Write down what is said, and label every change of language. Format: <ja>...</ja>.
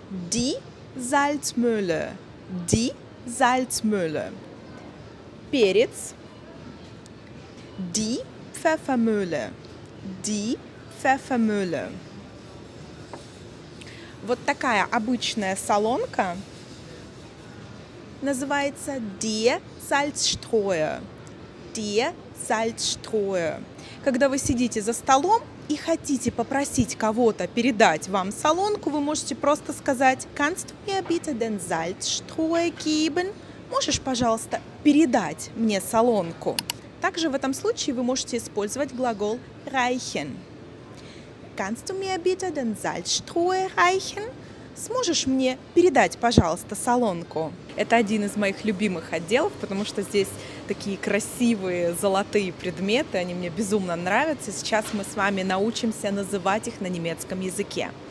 <de>Die Salzmühle. Die Salzmühle.</de> <ru>Перец.</ru> <de>Die Pfeffermühle. Die Pfeffermühle.</de> <ru>Вот такая обычная солонка называется</ru> <de>Die Salzstreuer. Die Salzstreuer.</de> <ru>Когда вы сидите за столом и хотите попросить кого-то передать вам солонку, вы можете просто сказать</ru> <de>Kannst du mir bitte den Salzstreuer geben?</de> <ru>Можешь, пожалуйста, передать мне солонку. Также в этом случае вы можете использовать глагол reichen.</ru> <de>Kannst du mir bitte den Salzstreuer reichen?</de> <ru>Сможешь мне передать, пожалуйста, солонку? Это один из моих любимых отделов, потому что здесь такие красивые золотые предметы, они мне безумно нравятся. Сейчас мы с вами научимся называть их на немецком языке.</ru>